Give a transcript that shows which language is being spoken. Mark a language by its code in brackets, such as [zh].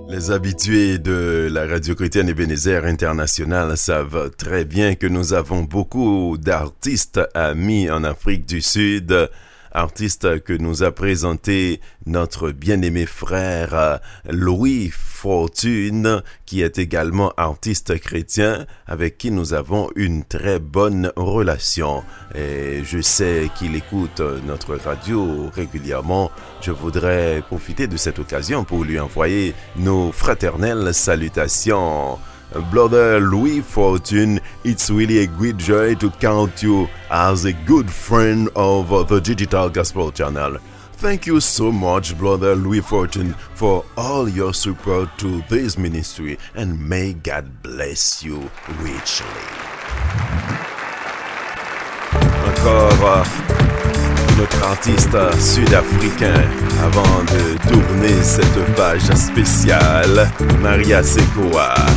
[fr] Habitués de la radio chrétienne Ebenezer International savent très bien que nous avons beaucoup d'artistes amis en Afrique du Sud, artistes que nous a présenté notre bien-aimé frère Louis Fortune, qui est également artiste chrétien avec qui nous avons une très bonne relation. Et je sais qu'il écoute notre radio régulièrement. Je voudrais profiter de cette occasion pour lui envoyer nos fraternelles salutations. [en] Brother Louis Fortune, it's really a great joy to count you as a good friend of the Digital Gospel Channel. Thank you so much, Brother Louis Fortune, for all your support to this ministry, and may God bless you richly. [fr] Encore notre artiste sud-africain avant de tourner cette page spéciale, Maria Sekoa.